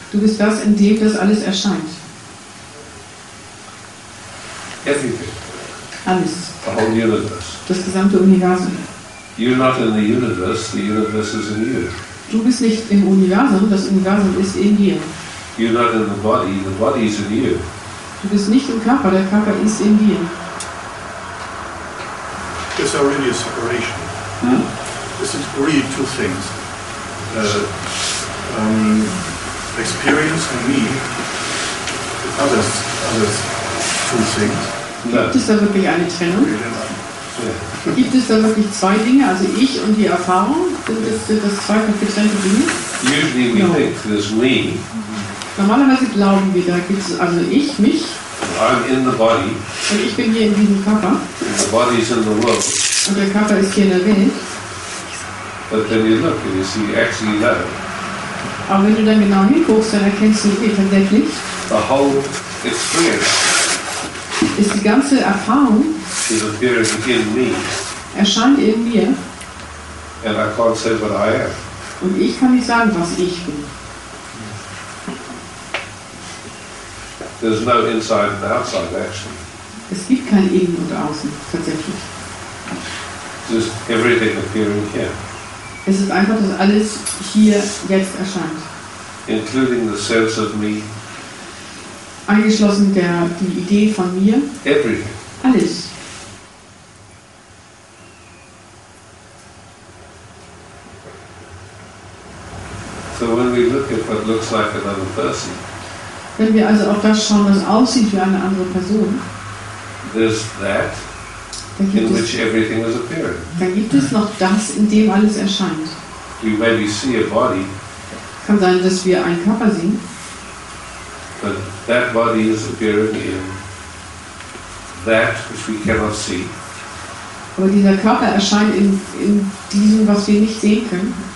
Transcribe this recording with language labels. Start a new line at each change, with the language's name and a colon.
German: Du bist das, in dem das alles erscheint.
English: Everything.
German: Alles.
English: The whole universe.
German: Das gesamte Universum.
English: You're not in the universe. The universe is in you.
German: Du bist nicht im Universum, das Universum ist in dir.
English: You're not in the body, the body is in you.
German: Du bist nicht im Körper, der Körper ist in dir.
English: It's already a separation. This is really two things. Experience and me, others, two things.
German: Gibt es da wirklich eine Trennung?
English: Yeah.
German: Gibt es da wirklich zwei Dinge, also ich und die Erfahrung? Sind das zwei getrennte Dinge?
English: Usually we no. Think there's me.
German: Normalerweise glauben wir, da gibt es also ich, mich.
English: I'm in the body.
German: Und ich bin hier in diesem Körper.
English: The body is in the world.
German: Und der Körper ist hier in der Welt.
English: But then you look and you see you actually know.
German: Aber wenn du dann genau hinguckst, dann erkennst du tatsächlich.
English: The whole experience.
German: Ist die ganze Erfahrung.
English: Is appearing in me.
German: Erscheint in mir.
English: And I can't say what I am.
German: Und ich kann nicht sagen, was ich bin.
English: There's no inside and outside action.
German: Es gibt kein Innen und Außen tatsächlich.
English: Just everything appearing here.
German: Es ist einfach, dass alles hier jetzt erscheint.
English: Including the sense of me.
German: Eingeschlossen der die Idee von mir.
English: Everything.
German: Alles.
English: So when we look at what looks like another person.
German: Wenn wir also auf das schauen, was aussieht wie eine andere Person.
English: There's that. In which everything is appearing.
German: Dann gibt es noch das, in dem alles erscheint.
English: We maybe see a body.
German: Kann sein, dass wir einen Körper sehen.
English: But that body is appearing in that which we cannot see.
German: Aber dieser Körper erscheint in diesem, was wir nicht sehen können.